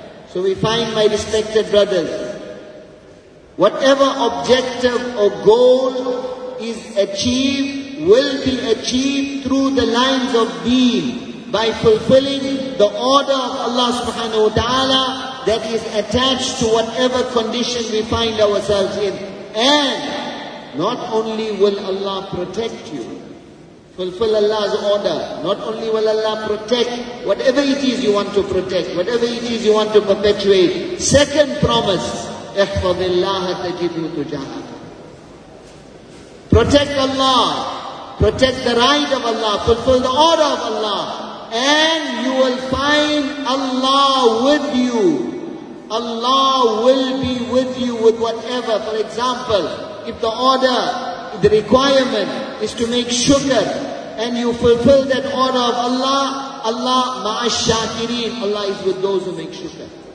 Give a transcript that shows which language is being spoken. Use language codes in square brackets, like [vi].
[en] So we find, my respected brothers, whatever objective or goal is achieved will be achieved through the lines of deen by fulfilling the order of Allah subhanahu wa ta'ala that is attached to whatever condition we find ourselves in. And not only will Allah protect you, fulfill Allah's order, not only will Allah protect whatever it is you want to protect, whatever it is you want to perpetuate. Second promise, [ar] احفظ الله تجده تجاهه. [en] Protect Allah, protect the right of Allah, fulfill the order of Allah, and you will find Allah with you. Allah will be with you with whatever. For example, if the order, the requirement is to make shukr, and you fulfill that order of Allah, Allah ma'ash-shakirin, Allah is with those who make shukr.